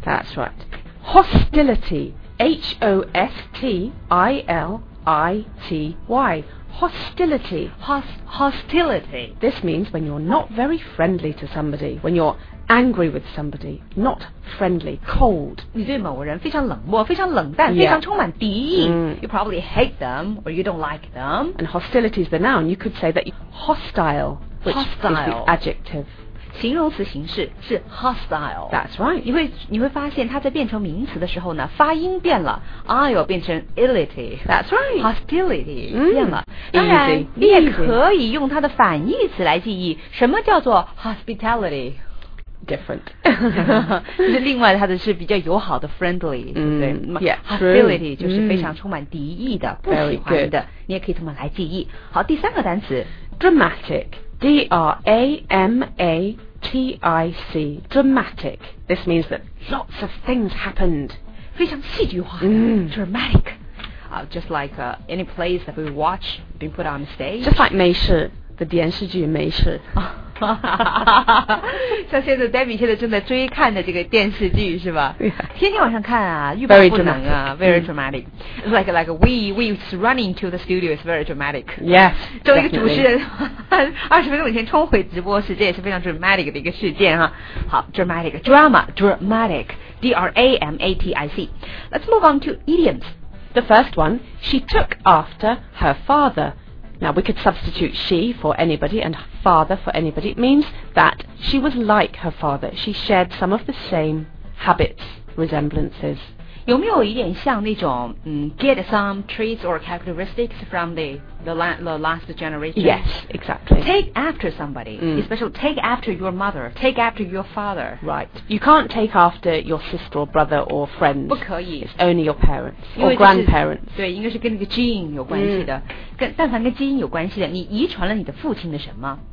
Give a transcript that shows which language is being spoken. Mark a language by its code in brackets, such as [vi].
[en] That's right. Hostility. H-O-S-T-I-L-I-T-Y. Hostility. Hostility. This means when you're not very friendly to somebody, when you're angry with somebody, not friendly, cold. [zh] 你对某人非常冷漠，非常冷淡、 [en] yeah. [zh] 非常充满敌意、 mm. [en] You probably hate them or you don't like them. And hostility is the noun. You could say that hostile, which hostile. Is the adjective. [zh] 形容词形式是 hostile. [en] That's right. [zh] 你会发现它在变成名词的时候呢，发音变了 ，ile 变成 ility. [en] That's right. [zh] Hostility、变了。 [en] Easy. [zh] 当然，你也可以用它的反义词来记忆，什么叫做 hospitality？ [en] Different. [zh] 是另外它的是比较友好的 friendly， 对不对？ [en] Yeah. Hostility、 [zh] 就是非常充满敌意的、不喜欢的。你也可以通过来记忆。好，第三个单词 [en] dramatic. D-R-A-M-A-T-I-C. Dramatic. This means that lots of things happened. [zh] 非常戏剧化的、 [en] Dramatic.、Just like、any plays that we watch being put on the stage. Just like [zh] 美食 The 电视剧美食像现在 Debbie 现在正在追看的这个电视剧是吧、 [en] yeah. [zh] 天天往上看啊欲罢不能啊 [en] Very dramatic、like we run into the studio is very dramatic Yes [zh] 作为一个主持人二十分钟以前冲回直播室这也是非常 dramatic 的一个事件哈好 dramatic drama dramatic D-R-A-M-A-T-I-C [en] Let's move on to idioms The first one She took after her fatherNow, we could substitute she for anybody and father for anybody. It means that she was like her father. She shared some of the same habits, resemblances. [zh] 有没有一点像那种、 [en] get some traits or characteristics from the last generation? Yes, exactly. Take after somebody,、especially take after your mother, take after your father. Right. You can't take after your sister or brother or friends. [zh] 不可以。 [en] It's only your parents or grandparents. [zh] 对，应该是跟那个基因有关系的。但凡跟基因有关系的，你遗传了你的父亲的什么？